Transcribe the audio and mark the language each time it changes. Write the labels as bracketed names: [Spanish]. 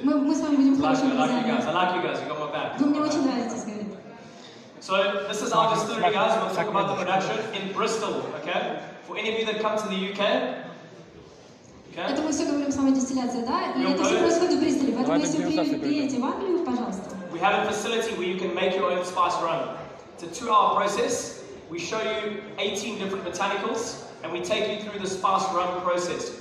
[Russian] Мы с вами будем хорошими друзьями. [English] I like you guys, you got my back. [Russian] Вы мне очень нравитесь, говорит. [English] So, this is our distillery, guys. We'll talk about the production in Bristol, okay? For any of you that come to the UK, [Russian] это мы все говорим с вами о дистилляции, да? И это все происходит в Бристоле. Поэтому если вы приедете в Англию, пожалуйста. [English] We have a facility where you can make your own spice rum. It's a two-hour process. We show you 18 different botanicals, and we take you through the spice rum process.